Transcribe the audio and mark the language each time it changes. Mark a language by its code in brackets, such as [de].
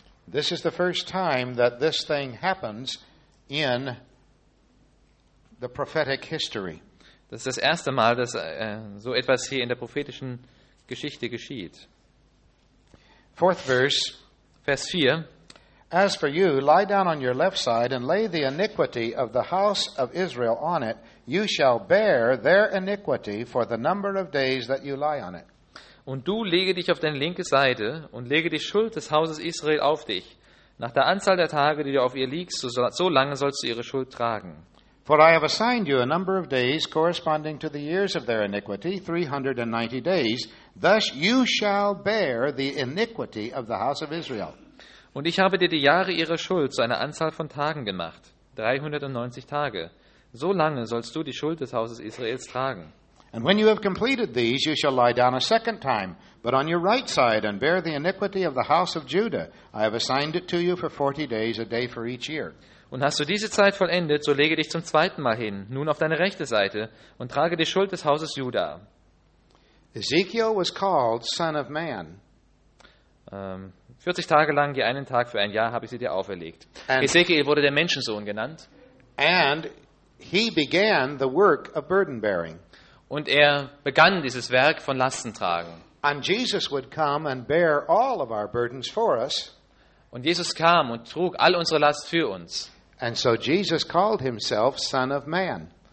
[en] This is the first time that this thing happens in the prophetic history. [de] Das ist das erste Mal, dass so etwas hier in der prophetischen Geschichte geschieht. [en] Fourth verse, [de] Vers 4. [en] As for you, lie down on your left side and lay the iniquity of the house of Israel on it. You shall bear their iniquity for the number of days that you lie on it. [de] Und du lege dich auf deine linke Seite und lege die Schuld des Hauses Israel auf dich. Nach der Anzahl der Tage, die du auf ihr liegst, so lange sollst du ihre Schuld tragen. [en] For I have assigned you a number of days corresponding to the years of their iniquity, 390 days. Thus you shall bear the iniquity of the house of Israel. [de] Und ich habe dir die Jahre ihrer Schuld zu einer Anzahl von Tagen gemacht, 390 Tage. So lange sollst du die Schuld des Hauses Israels tragen. [en] And when you have completed these, you shall lie down a second time, but on your right side, and bear the iniquity of the house of Judah. I have assigned it to you for 40 days, a day for each year. [de] Und hast du diese Zeit vollendet, so lege dich zum zweiten Mal hin, nun auf deine rechte Seite, und trage die Schuld des Hauses Juda. [en] Ezekiel was called son of man. [de] 40 Tage lang, je einen Tag für ein Jahr, habe ich sie dir auferlegt. Ezekiel wurde der Menschensohn genannt. [en] And he began the work of burden bearing. [de] Und er begann dieses Werk von Lastentragen. [en] And Jesus would come and bear all of our burdens for us. [de] Und Jesus kam und trug all unsere Last für uns. [en] And so Jesus called himself Son of Man.